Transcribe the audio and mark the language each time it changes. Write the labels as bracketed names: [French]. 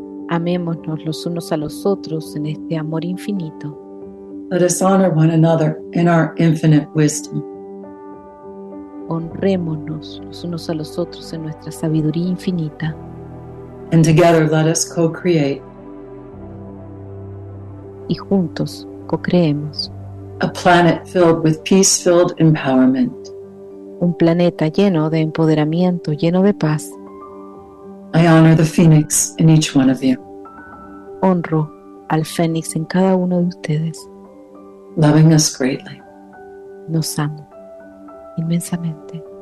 [Spanish] Amémonos los unos a los otros en este amor infinito. [English] Let us honor one another in our infinite wisdom. [Spanish] Honrémonos los unos a los otros en nuestra sabiduría infinita. [English] And together let us co-create. [Spanish] Y juntos co-creemos. [English] A planet filled with peace-filled empowerment. [Spanish] Un planeta lleno de empoderamiento, lleno de paz. [English] I honor the phoenix in each one of you. [Spanish] Honro al fénix en cada uno de ustedes. [English] Loving us greatly. [Spanish] Nos amo inmensamente.